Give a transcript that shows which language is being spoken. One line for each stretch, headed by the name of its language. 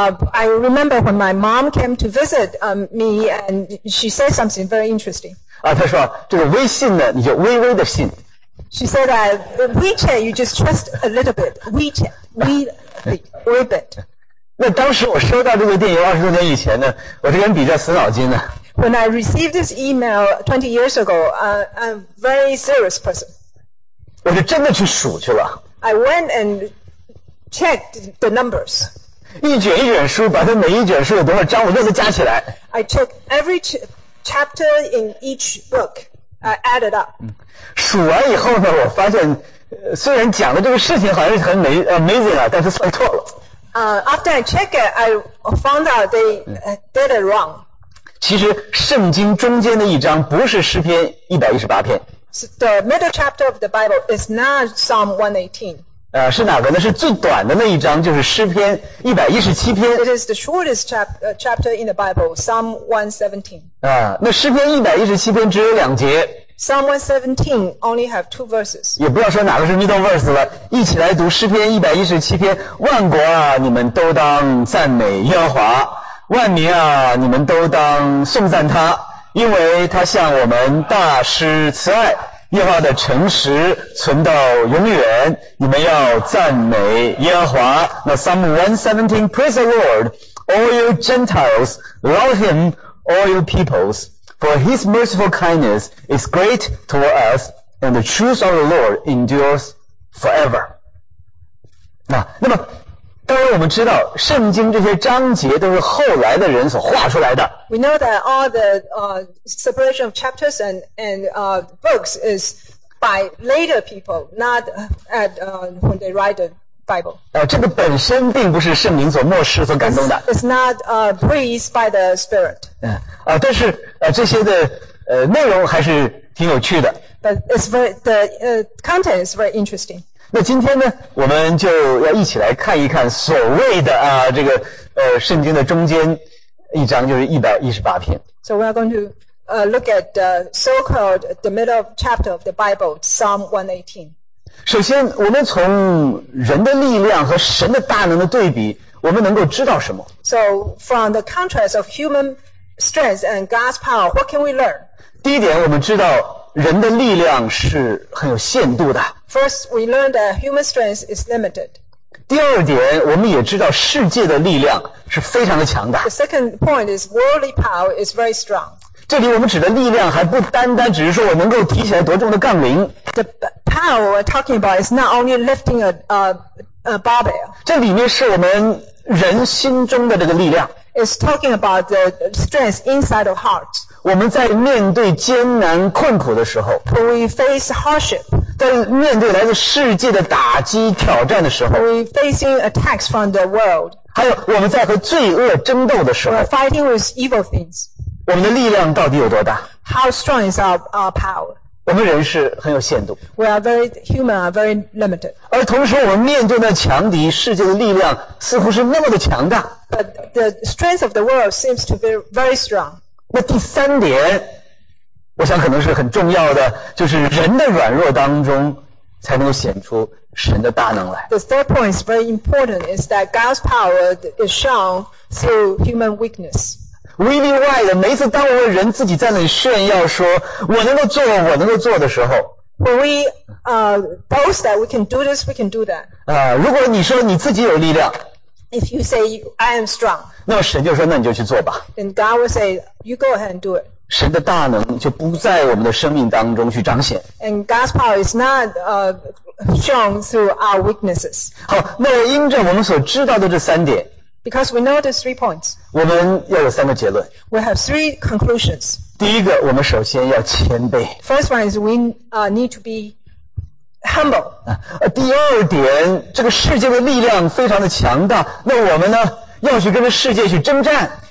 English: I remember when my mom came to visit me, and she said something very interesting.
Chinese: 啊，她说这个微信呢，你就微微的信。
English: She said that WeChat, you just trust a little bit. WeChat, wee bit.
Chinese: 那当时我收到这个电邮二十多年以前呢，我这个人比较死脑筋呢。
English: When I received this email 20 years ago, I'm a very serious person.
Chinese: 我就真的去数去了。
English: I went and checked the numbers.
Chinese: 一卷一卷书，把它每一卷书有多少章，我都加起来。
English: I took every chapter in each book. I added up.
Chinese: 数完以后呢，我发现虽然讲的这个事情好像是很amazing 啊，但是算错了。
English: After I checked it, I found out they did it wrong.
Chinese: 其实圣经中间的一章不是诗篇118篇。
English: So、the middle chapter of the Bible is not Psalm 118.
Chinese: 是哪个呢？是最短的那一章，就是诗篇117篇。
English: It is the shortest chapter in the Bible, Psalm 117.
Chinese: 那诗篇117篇只有两节。
English: Psalm 117 only have two verses.
Chinese: 也不要说哪个是 middle verse 了，一起来读诗篇117篇。万国啊，你们都当赞美耶和华；万民啊，你们都当颂赞他，因为他向我们大施慈爱，耶和华的诚实存到永远。你们要赞美耶和华。那
English: Psalm 117 praise the Lord, all you Gentiles, love him, all you peoples. For his merciful kindness is great toward us, and the truth of the Lord endures forever.
Chinese: 那么当然我们知道圣经这些章节都是后来的人所画出来的。
English: We know that all the separation of chapters and books is by later people, not at when they write the Bible.
Chinese: 这个本身并不是圣灵所默示所感动的。
English: It's not breathed by the Spirit.
Chinese: 但是这些的内容还是挺有趣的。
English: But it's very, the content is very interesting.
Chinese: 那今天呢，我们就要一起来看一看所谓的这个圣经的中间一章，就是118篇。
English: So we are going to look at the so-called the middle chapter of the Bible, Psalm 118.
Chinese: 首先，我们从人的力量和神的大能的对比，我们能够知道什么
English: ？So from the contrast of human strength and God's power, what can we learn?
Chinese: 第一点，我们知道人的力量是很有限度的。
English: First, we learn that human strength is limited.
Chinese: 第二点，我们也知道世界的力量是非常的强大。
English: The second point is worldly power is very strong.
Chinese: 这里我们指的力量还不单单只是说我能够提起来多重的杠铃。
English: The power we're talking about is not only lifting a barbell.
Chinese: 这里面是我们人心中的这个力量。
English: It's talking about the strength inside of heart.
Chinese: 我们在面对艰难困苦的时候
English: ，When we face hardship.
Chinese: 在面对来自世界的打击挑战的时候
English: ，When we facing attacks from the world.
Chinese: 还有我们在和罪恶争斗的时候
English: ，We're fighting with evil things.
Chinese: 我们的力量到底有多大
English: ？How strong is our power?
Chinese: 我们人是很有限度
English: ，We are very human, are very limited.
Chinese: 而同时，我们面对那强敌世界的力量似乎是那么的强大。
English: But the strength of the world seems to be very strong.
Chinese: 那第三点，我想可能是很重要的，就是人的软弱当中才能显出神的大能来。
English: The third point is very important: is that God's power is shown through human weakness. Really wide.
Chinese: 每次当我们人自己在那里炫耀说我能够做，我能够做的时候。
English: When we boast that we can do this, we can do that.
Chinese: 如果你说你自己有力量。
English: If you say I am strong,
Chinese: 那么神就说那你就去做吧。
English: Then God will say you go ahead and do it.
Chinese: 神的大能就不在我们的生命当中去彰显。
English: And God's power is not shown through our weaknesses.
Chinese: 好，那因着我们所知道的这三点
English: ，Because we know the three points,
Chinese: 我们要有三个结论。
English: We have three conclusions.
Chinese: 第一个，我们首先要谦卑。
English: First one is we need to be humble.
Chinese: 第二点，这个世界的力量非常的强大，那我们呢，要去跟这世界去征战。